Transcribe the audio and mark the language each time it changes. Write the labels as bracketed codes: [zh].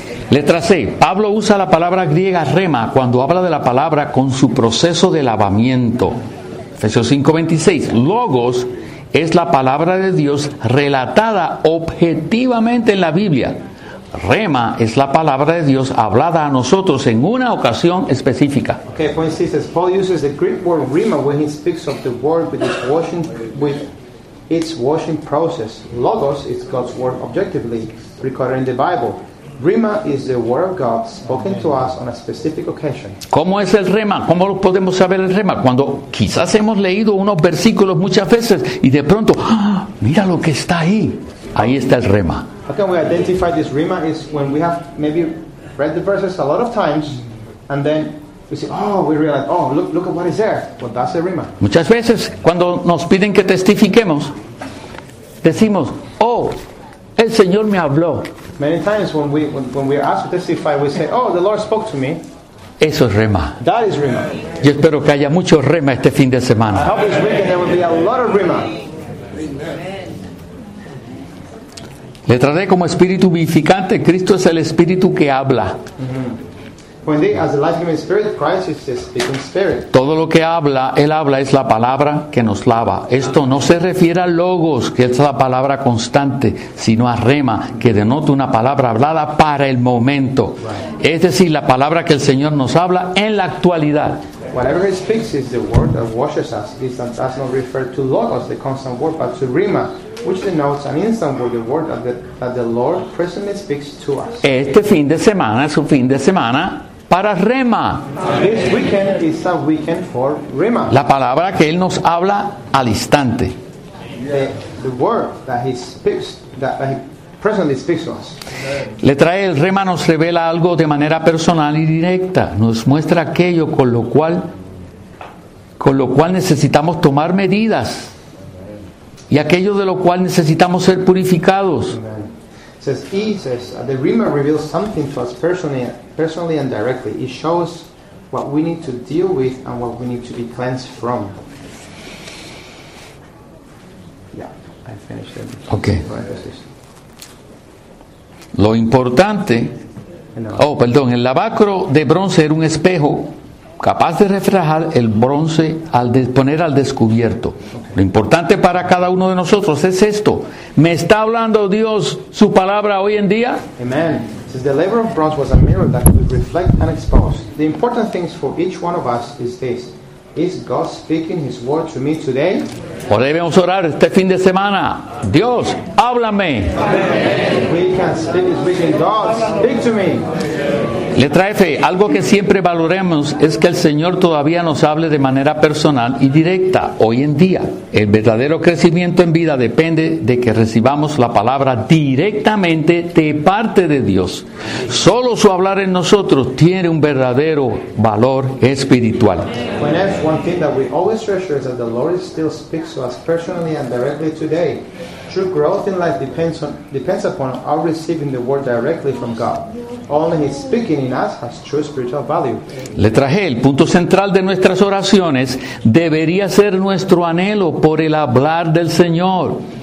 [es] Letra C. Pablo usa la palabra griega rema cuando habla de la palabra con su proceso de lavamiento. Efesios 5:26. Logos es la palabra de Dios relatada objetivamente en la Biblia. Rema es la palabra de Dios hablada a nosotros en una ocasión específica. [en] Okay, point C says Paul uses the Greek word rema when he speaks of the word with its washing, with its washing process. Logos is God's word objectively recorded in the Bible. Rema is the word of God spoken to us on a specific occasion. [es] ¿Cómo es el rema? ¿Cómo podemos saber el rema? Cuando quizás hemos leído unos versículos muchas veces y de pronto, ¡ah! Mira lo que está ahí. Ahí está el rema. [en] How can we identify this rema is when we have maybe read the verses a lot of times and then we say, oh, we realize, oh, look at what is there. Well, that's the rema. [es] Muchas veces cuando nos piden que testifiquemos, decimos, oh, el Señor me habló. [en] Many times when we are asked to testify, we say, oh, the Lord spoke to me. [es] Eso es rema. [en] That is rema. [es] Yo espero que haya mucho rema este fin de semana. [en] I hope this weekend there will be a lot of rema. [es] Le traté como espíritu vivificante. Cristo es el espíritu que habla. [en] When they, as the life-giving spirit, Christ is the speaking spirit. [es] Todo lo que habla, Él habla, es la palabra que nos lava. Esto no se refiere a logos, que es la palabra constante, sino a rema, que denota una palabra hablada para el momento. [en] Right. [es] Es decir, la palabra que el Señor nos habla en la actualidad. [en] Whatever He speaks is the word that washes us. This does not refer to logos, the constant word, but to rema, which denotes an instant word, the word that the Lord presently speaks to us. [es] Este fin de semana es un fin de semana para rema. [en] This weekend is a weekend for rema. [es] La palabra que Él nos habla al instante. [en] The word that He speaks, that He presently speaks to us. [es] Le trae el rema, nos revela algo de manera personal y directa. Nos muestra aquello con lo cual necesitamos tomar medidas. Y aquello de lo cual necesitamos ser purificados. [en] He says the rema reveals something to us personally and directly. It shows what we need to deal with and what we need to be cleansed from. Yeah, I finished it. Okay. [es] Lo importante. Oh, perdón. El lavacro de bronce era un espejo capaz de reflejar el bronce al poner al descubierto. Lo importante para cada uno de nosotros es esto. ¿Me está hablando Dios su palabra hoy en día? Amen. [en] Since the labor of bronze was a mirror that could reflect and expose. The important things for each one of us is this. Is God speaking His word to me today? [es] O debemos orar este fin de semana. Dios, háblame. [en] We can speak this weekend. God, speak to me. [es] Letra F, algo que siempre valoremos es que el Señor todavía nos hable de manera personal y directa hoy en día. El verdadero crecimiento en vida depende de que recibamos la palabra directamente de parte de Dios. Solo su hablar en nosotros tiene un verdadero valor espiritual. [en] One thing that we always treasure is that the Lord still speaks to us personally and directly today. True growth in life depends upon our receiving the word directly from God. Only his speaking in us has true spiritual value. [es] Le traje el punto central de nuestras oraciones debería ser nuestro anhelo por el hablar del Señor.